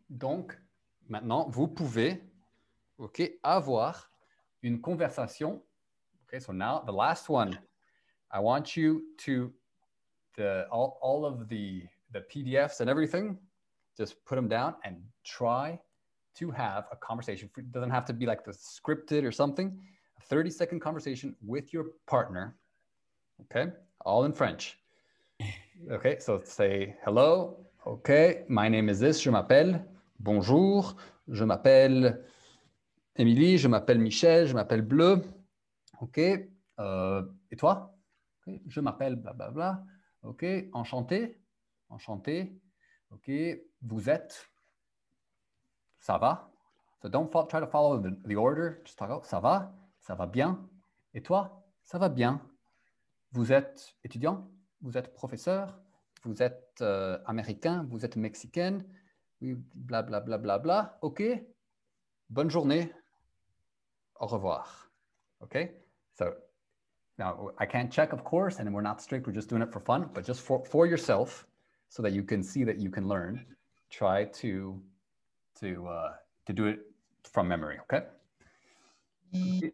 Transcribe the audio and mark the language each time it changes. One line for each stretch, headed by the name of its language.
French: Donc, maintenant, vous pouvez, OK, avoir une conversation.
English: OK, so now, the last one. I want you to, all of the PDFs and everything, just put them down and try to have a conversation. It doesn't have to be like the scripted or something. A 30-second conversation with your partner. Okay, all in French. Okay, so say hello. Okay, my name is this.
French: Je m'appelle. Bonjour. Je m'appelle Emily. Je m'appelle Michel. Je m'appelle Bleu. Okay, et toi? Okay. Je m'appelle blah, blah, blah. Okay, enchanté. Enchanté. Okay, vous êtes. Ça va?
English: So don't try to follow the order. Just talk out.
French: Ça va? Ça va bien?
English: Et toi? Ça va bien?
French: Vous êtes étudiant, vous êtes professeur, vous êtes américain, vous êtes mexicaine, oui, bla bla bla bla bla. OK. Bonne journée. Au revoir. OK?
English: So now I can't check, of course, and we're not strict, we're just doing it for fun, but just for yourself so that you can see that you can learn. Try to do it from memory, okay?